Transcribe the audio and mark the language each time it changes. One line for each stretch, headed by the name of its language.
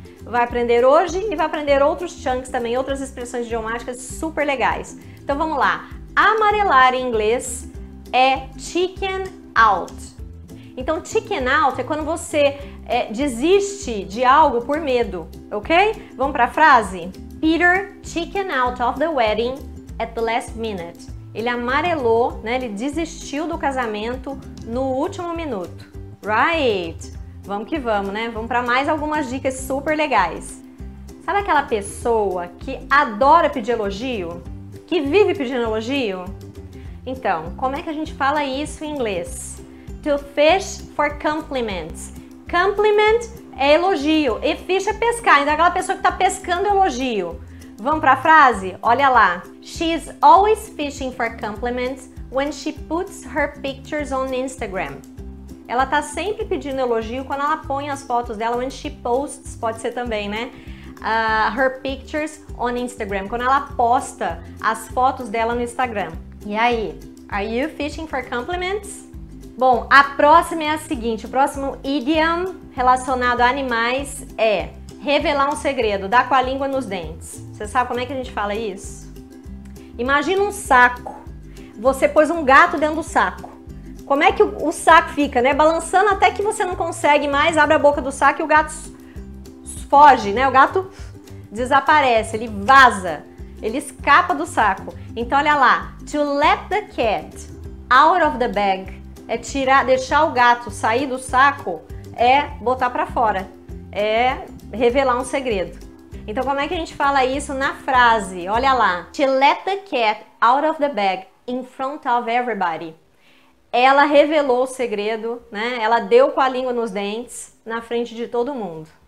Portuguese: Vai aprender hoje e vai aprender outros chunks também, outras expressões idiomáticas super legais. Então vamos lá. Amarelar em inglês é chicken out. Então, chicken out é quando você desiste de algo por medo, ok? Vamos para a frase?
English: Peter chicken out of the wedding at the last minute.
Portuguese: Ele amarelou, né? Ele desistiu do casamento no último minuto. Right! Vamos que vamos, né? Vamos para mais algumas dicas super legais. Sabe aquela pessoa que adora pedir elogio? Que vive pedindo elogio? Então, como é que a gente fala isso em inglês?
English: To fish for compliments.
Portuguese: Compliment é elogio. E fish é pescar. Então, é aquela pessoa que está pescando elogio. Vamos para a frase? Olha lá.
English: She's always fishing for compliments when she puts her pictures on Instagram.
Portuguese: Ela está sempre pedindo elogio quando ela põe as fotos dela.
English: When she posts,
Portuguese: pode ser também, né?
English: Her pictures on Instagram.
Portuguese: Quando ela posta as fotos dela no Instagram. E aí,
English: are you fishing for compliments?
Portuguese: Bom, a próxima é a seguinte, o próximo idiom relacionado a animais é revelar um segredo, dar com a língua nos dentes. Você sabe como é que a gente fala isso? Imagina um saco, você pôs um gato dentro do saco. Como é que o saco fica, né? Balançando até que você não consegue mais, abre a boca do saco e o gato foge, né? O gato desaparece, ele vaza. Ele escapa do saco. Então, olha lá.
English: To let the cat out of the bag
Portuguese: é tirar, deixar o gato sair do saco, é botar pra fora. É revelar um segredo. Então, como é que a gente fala isso na frase? Olha lá.
English: To let the cat out of the bag in front of everybody.
Portuguese: Ela revelou o segredo, né? Ela deu com a língua nos dentes na frente de todo mundo.